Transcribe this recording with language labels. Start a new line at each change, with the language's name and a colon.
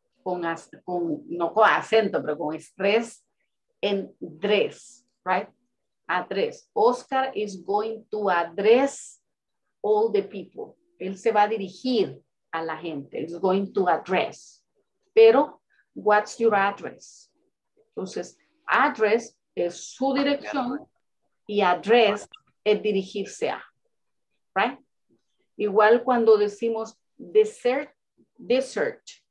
Spanish: No con acento, pero con estrés en dress, right?
English: Address. Oscar is going to address all the people.
Spanish: Él se va a dirigir a la gente.
English: He's going to address.
Spanish: Pero,
English: what's your address?
Spanish: Entonces, address es su dirección y address es dirigirse a, right? Igual cuando decimos dessert, dessert.